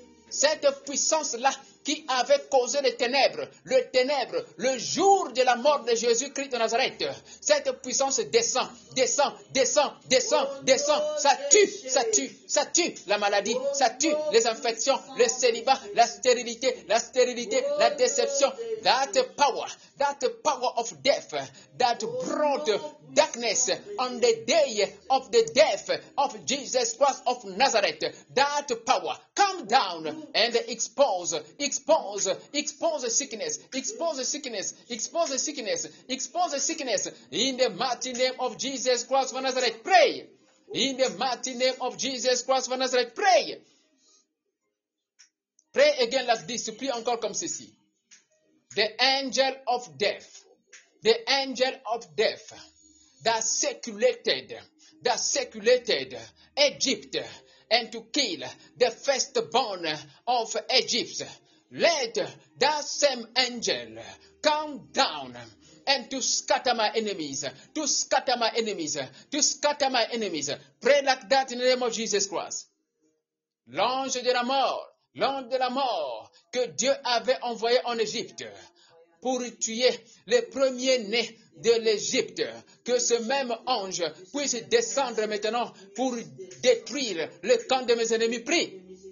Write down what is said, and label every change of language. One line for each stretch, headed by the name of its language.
French: Cette puissance-là qui avait causé les ténèbres, le jour de la mort de Jésus-Christ de Nazareth. Cette puissance descend. Ça tue la maladie, ça tue les infections, le célibat, la stérilité, la déception.
English: That power of death that brought darkness on the day of the death of Jesus Christ of Nazareth. That power, come down and expose sickness in the mighty name of Jesus Christ of Nazareth. Pray! In the mighty name of Jesus Christ of Nazareth, pray! Pray again like this, pray
French: encore comme ceci.
English: The angel of death that circulated Egypt and to kill the firstborn of Egypt. Let that same angel come down and to scatter my enemies. Pray like that in the name of Jesus Christ.
French: L'ange de la mort que Dieu avait envoyé en Égypte pour tuer les premiers-nés de l'Égypte, que ce même ange puisse descendre maintenant pour détruire le camp de mes ennemis. Prie!